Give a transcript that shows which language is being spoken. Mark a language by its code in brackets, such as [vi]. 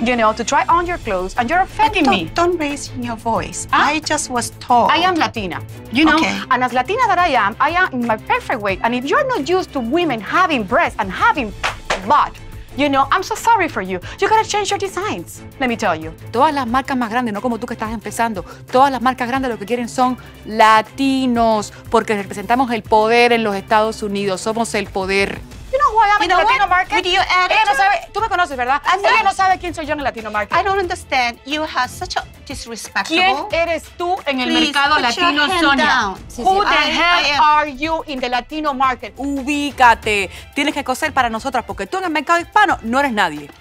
[en] You know, to try on your clothes. And you're offending me. Don't raise your voice. Huh? I just was told. I am Latina. You know? Okay. And as Latina that I am in my perfect weight. And if you're not used to women having breasts and having butt, you know, I'm so sorry for you. You gotta change your designs. Let me tell you. [es] Todas las marcas más grandes, no como tú que estás empezando, todas las marcas grandes lo que quieren son latinos, porque representamos el poder en los Estados Unidos. Somos el poder. [en] You know who I am in the Latino market? With your attitude? [es] Ella no sabe, tú me conoces, ¿verdad? Ella no sabe quién soy yo en el Latino market. [en] I don't understand. You have such a disrespectful. [es] ¿Quién eres tú en el mercado latino, Sonia? [en] Who the hell are you in the Latino market? [es] Ubícate. Tienes que coser para nosotras porque tú en el mercado hispano no eres nadie.